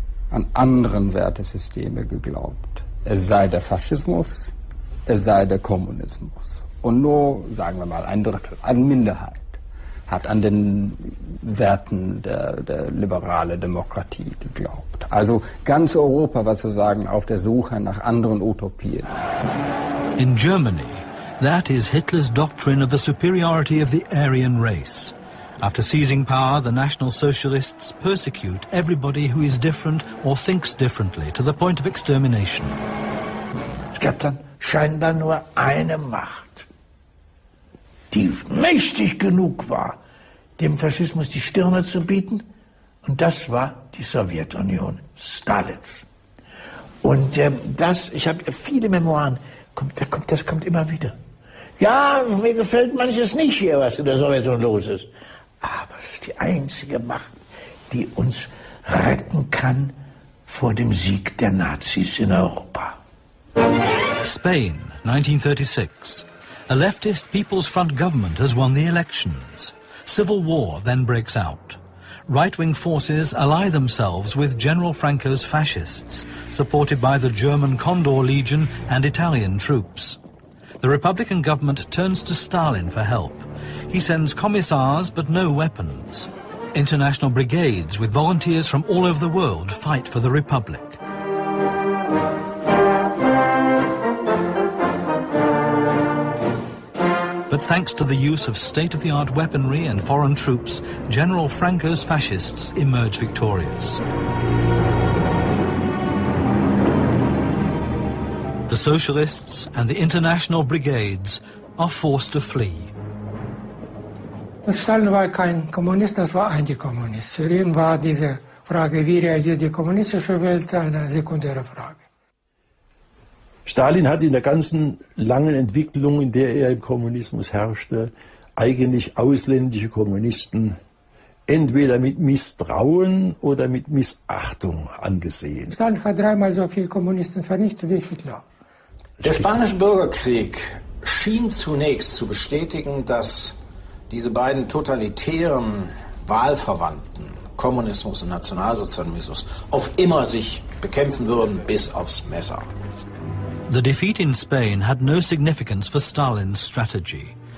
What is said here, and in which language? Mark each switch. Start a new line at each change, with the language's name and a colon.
German: an anderen Wertesysteme geglaubt. Es sei der Faschismus, es sei der Kommunismus. Und nur, sagen wir mal, ein Drittel, eine Minderheit, hat an den Werten der liberalen Demokratie geglaubt. Also ganz Europa war sozusagen auf der Suche nach anderen Utopien.
English: In Germany, that is Hitler's doctrine of the superiority of the Aryan race. After seizing power, the National Socialists persecute everybody who is different or thinks differently to the point of extermination.
German: Es gab dann scheinbar nur eine Macht, die mächtig genug war, dem Faschismus die Stirne zu bieten, und das war die Sowjetunion, Stalins. Und das, ich habe viele Memoiren, das kommt immer wieder. Ja, mir gefällt manches nicht hier, was in der Sowjetunion los ist. Aber es ist die einzige Macht, die uns retten kann vor dem Sieg der Nazis in Europa.
English: Spain, 1936. A leftist People's Front government has won the elections. Civil war then breaks out. Right-wing forces ally themselves with General Franco's fascists, supported by the German Condor Legion and Italian troops. The Republican government turns to Stalin for help. He sends commissars, but no weapons. International brigades with volunteers from all over the world fight for the Republic. But thanks to the use of state-of-the-art weaponry and foreign troops, General Franco's fascists emerge victorious. The socialists and the international brigades are forced to flee.
German: Stalin war kein Kommunist, das war Antikommunist. Für ihn war diese Frage, wie reagiert die kommunistische Welt, eine sekundäre Frage. Stalin hatte in der ganzen langen Entwicklung, in der er im Kommunismus herrschte, eigentlich ausländische Kommunisten entweder mit Misstrauen oder mit Missachtung angesehen. Stalin hat dreimal so viele Kommunisten vernichtet wie Hitler. Der spanische Bürgerkrieg schien zunächst zu bestätigen, dass diese beiden totalitären Wahlverwandten, Kommunismus und Nationalsozialismus, auf immer sich bekämpfen würden bis aufs Messer.
English: The defeat in Spain had no significance for Stalin's strategy.